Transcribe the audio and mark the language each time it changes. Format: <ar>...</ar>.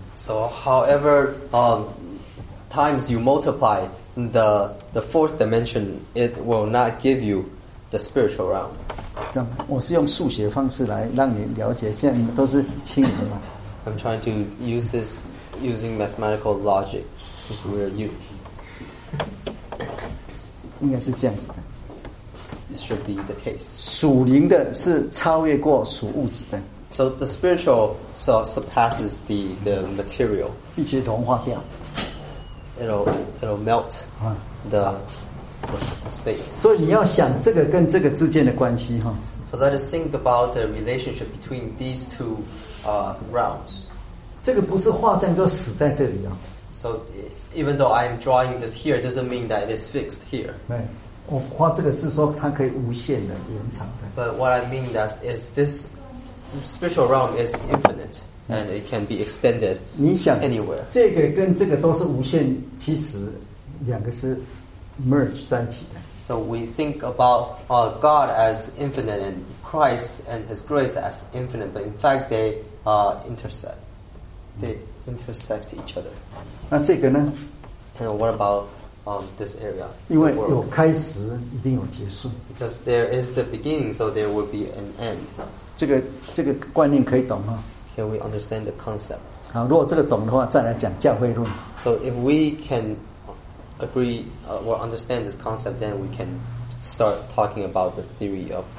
<en>So however, times you multiply the fourth dimension, it will not give you the spiritual realm.</en> <zh>我是用数学方式来让你了解，现在你们都是青年嘛。</zh> <en>I'm trying to use this using mathematical logic since we're youth.</en> <zh>应该是这样子的。</zh> <en>It should be the case.</en> <zh>属灵的是超越过属物质的。</zh> <en>So the spiritual surpasses the material.</en> <zh>并且融化掉。</zh> <en>It'll melt the space.</en> <zh>所以你要想这个跟这个之间的关系。</zh> <en>So let us think about the relationship between these two realms.</en> <zh>这个不是画这样就死在这里啊。</zh> <en>So even though I'm drawing this here, it doesn't mean that it is fixed here.</en> <zh>我画这个是说它可以无限的延长的。</zh> <en>But what I mean is this spiritual realm is infinite, and it can be extended anywhere.</en> <zh>这个跟这个都是无限，其实两个是 merge 在一起的。</zh> <en>So we think about God as infinite and Christ and His grace as infinite, but in fact they intersect. They intersect each other.</en> <zh>那这个呢?</zh> <en>And what about this area?</en> <zh>因为有开始一定有结束。</zh> <en>Because there is the beginning, so there will be an end.</en> <zh>这个观念可以懂吗?</zh> <en>Can we understand the concept?</en> <zh>好, 如果这个懂的话, 再来讲教会论。</zh> <en>So if we can agree or understand this concept, then we can start talking about the theory of</en>